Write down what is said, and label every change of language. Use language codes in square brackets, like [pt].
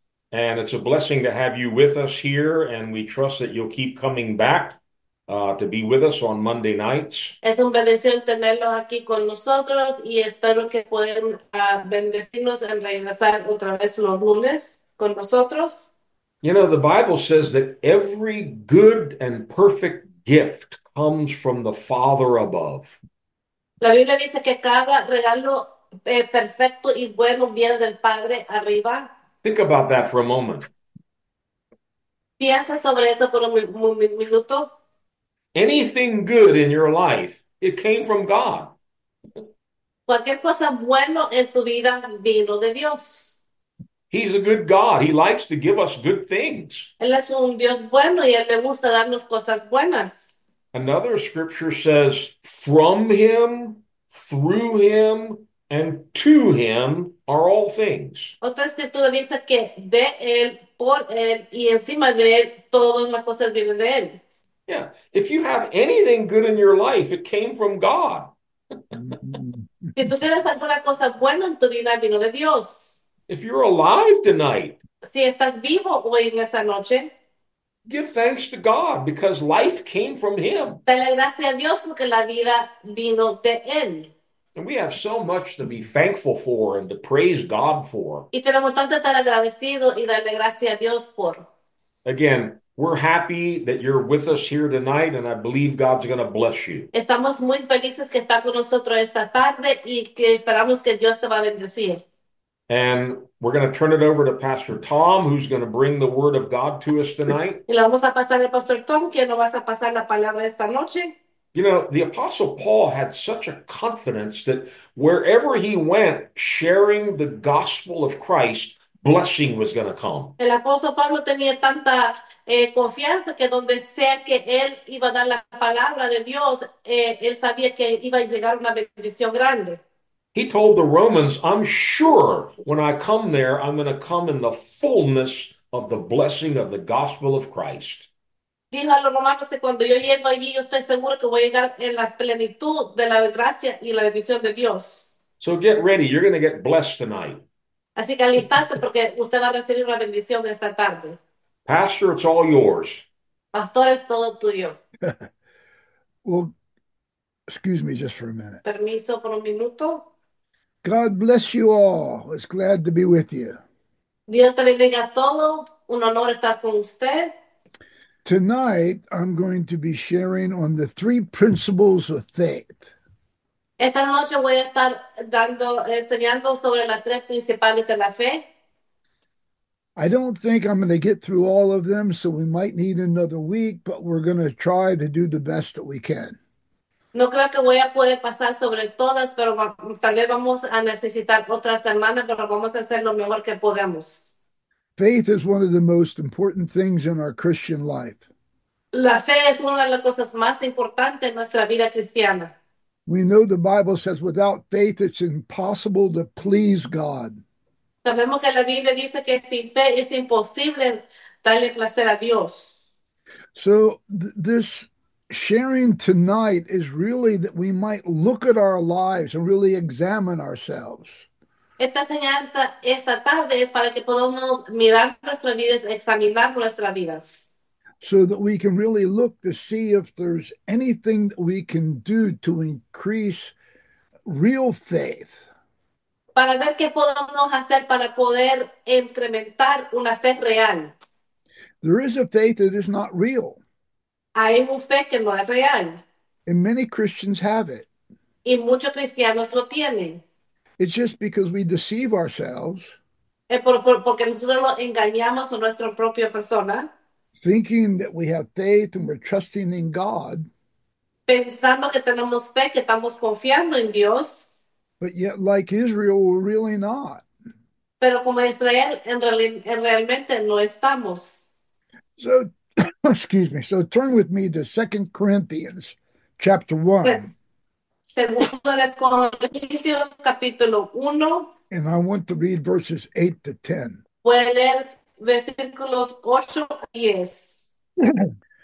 [en] And it's a blessing to have you with us here, and we trust that you'll keep coming back to be with us on Monday nights. [es] Es una bendición tenerlos aquí con nosotros y espero que puedan bendecirnos en regresar otra vez los lunes con nosotros. [en] You know, the Bible says that every good and perfect gift comes from the Father above. [es] La Biblia dice que cada regalo perfecto y bueno viene del Padre arriba. [en] Think about that for a moment. [es] Piensa sobre eso por un minuto. [en] Anything good in your life, it came from God. [es] Cualquier cosa bueno en tu vida vino de Dios. [en] He's a good God. He likes to give us good things. [es] Él es un Dios bueno y a él le gusta darnos cosas buenas. [en] Another scripture says, from him, through him, and to him are all things. [es] Otra escritura dice que de él, por él y encima de él, todas las cosas vienen de él. [en] Yeah. If you have anything good in your life, it came from God. [es] Si tú tienes alguna cosa buena en tu vida, vino de Dios. [en] If you're alive tonight, [es] Si estás vivo hoy en esa noche, [en] give thanks to God because life came from Him. [es] dale gracias a Dios porque la vida vino de Él. [en] And we have so much to be thankful for and to praise God for. [es] Y tenemos tanto estar agradecido y darle gracias a Dios por. [en] Again, we're happy that you're with us here tonight, and I believe God's going to bless you. [es] Estamos muy felices que está con nosotros esta tarde y que esperamos que Dios te va a bendecir. [en] And we're going to turn it over to Pastor Tom, who's going to bring the Word of God to us tonight. [es] Le vamos a pasar al Pastor Tom, quien nos va a pasar la palabra esta noche. [en] You know, the Apostle Paul had such a confidence that wherever he went, sharing the gospel of Christ, blessing was going to come. [es] El apóstol Pablo tenía tanta confianza que donde sea que él iba a dar la palabra de Dios, él sabía que iba a llegar una bendición grande. [en] He told the Romans, I'm sure when I come there, I'm going to come in the fullness of the blessing of the gospel of Christ. [es] Dijo a los romanos que cuando yo llego allí, yo estoy seguro que voy a llegar en la plenitud de la gracia y la bendición de Dios. [en] So get ready, you're going to get blessed tonight. [es] Así que alístate porque usted va a recibir una bendición esta tarde. [en] Pastor, it's all yours. [es] Pastor, es todo tuyo. [en] Well, excuse me just for a minute. [es] Permiso por un minuto. [en] God bless you all. It's glad to be with you. [es] Dios te bendiga todo. Un honor estar con usted. [en] Tonight, I'm going to be sharing on the three principles of faith. [es] Esta noche voy a estar dando, enseñando sobre las tres principales de la fe. [en] I don't think I'm going to get through all of them, so we might need another week, but we're going to try to do the best that we can. [es] No creo que voy a poder pasar sobre todas, pero tal vez vamos a necesitar otras semanas, pero vamos a hacer lo mejor que podamos. [en] Faith is one of the most important things in our Christian life. [es] La fe es una de las cosas más importantes en nuestra vida cristiana. [en] We know the Bible says without faith it's impossible to please God. [es] Sabemos que la Biblia dice que sin fe es imposible darle placer a Dios. [en] So th this sharing tonight is really that we might look at our lives and really examine ourselves. [es] Esta enseñanza esta tarde es para que podamos mirar nuestras vidas, examinar nuestras vidas. [en] So that we can really look to see if there's anything that we can do to increase real faith. [es] Para ver qué podemos hacer para poder incrementar una fe real. [en] There is a faith that is not real. [es] Hay un fe que no es real. [en] And many Christians have it. [es] Y muchos cristianos lo tienen. [en] It's just because we deceive ourselves, [es] Es porque nosotros lo engañamos a nuestra propia persona. [en] thinking that we have faith and we're trusting in God, [es] Pensando que tenemos fe, que estamos confiando en Dios. [en] but yet, like Israel, we're really not. [es] Pero como Israel, realmente no estamos. [en] So, excuse me. So turn with me to 2 Corinthians chapter 1. [es] Segundo de Corintios, capítulo 1. [en] And I want to read verses 8 to 10. [es] Voy a leer versículos 8 a 10.